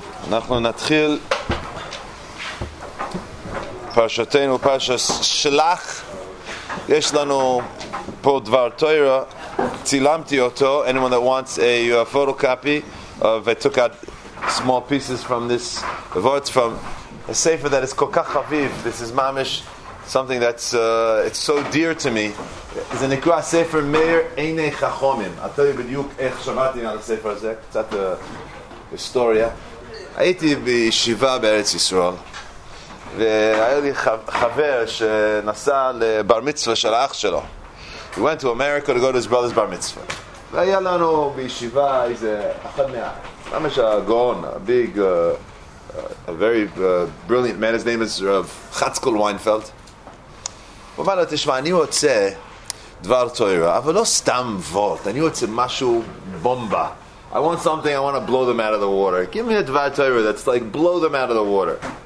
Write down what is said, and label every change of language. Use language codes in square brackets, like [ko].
[he] אנחנו נתחיל פרשתנו, פרשת שלח. יש לנו פה דבר תורה, צילמתי אותו. [en] Anyone that wants a photocopy of I took out small pieces from this word from a sefer that is [he] kol kach chaviv. [en] This is mamish something that's it's so dear to me. [he] זה נקרא ספר מאיר עיני חכמים. אני אתן לכם בדיוק איך שמעתי על הספר הזה, קצת היסטוריה. הייתי בישיבה בארץ ישראל, והיה לי חבר שנסע לבר מצווה של האח שלו. [en] He went to America to go to his brother's bar mitzvah. [he] והיה לנו בישיבה איזה אחד מהם, גאון, [en] a very brilliant man, his name is Rav Chatzkel Weinfeld. [he] הוא אמר לו, תשמע, אני רוצה דבר תורה, אבל לא סתם וולט, אני רוצה משהו בומבה. [en] I want something, I want to blow them out of the water. Give me a דבר תורה that's like blow them out of the water.